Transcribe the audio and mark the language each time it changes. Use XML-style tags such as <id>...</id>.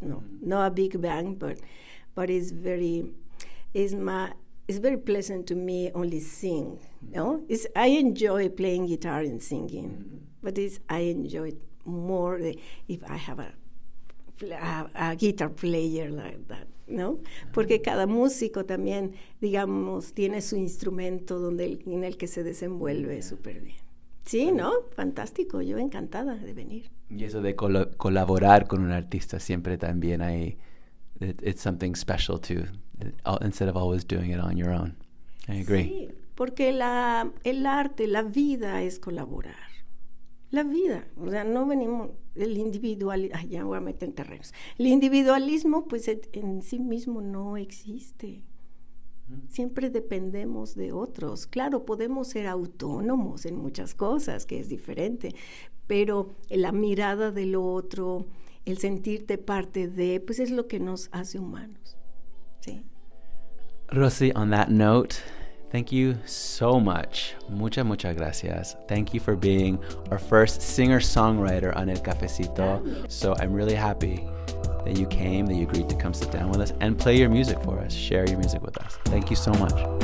<en>No, not a big band, but it's very pleasant to me only sing. No, I enjoy playing guitar and singing, but I enjoy it more if I have a guitar player like that.</en> <es>¿No? Porque cada músico también, digamos, tiene su instrumento en el que se desenvuelve súper bien. Sí, ¿no? Fantástico, yo encantada de venir. Y eso de colaborar con un artista siempre también hay...</es> <en>It's something special too, instead of always doing it on your own. I agree.</en> <es>Sí, porque el arte, la vida es colaborar. La vida, o sea, no venimos... El individualismo... Ay, ya me voy a meter en terrenos. El individualismo, pues, en sí mismo no existe. Siempre dependemos de otros. Claro, podemos ser autónomos en muchas cosas, que es diferente, pero la mirada del otro, el sentirte parte de, pues es lo que nos hace humanos. ¿Sí?</es> <en>Rosy, on that note, thank you so much.</en> <es>Muchas, muchas gracias.</es> <en>Thank you for being our first singer-songwriter on El Cafecito. So I'm really happy that you came, that you agreed to come sit down with us and play your music for us, share your music with us. Thank you so much.</en>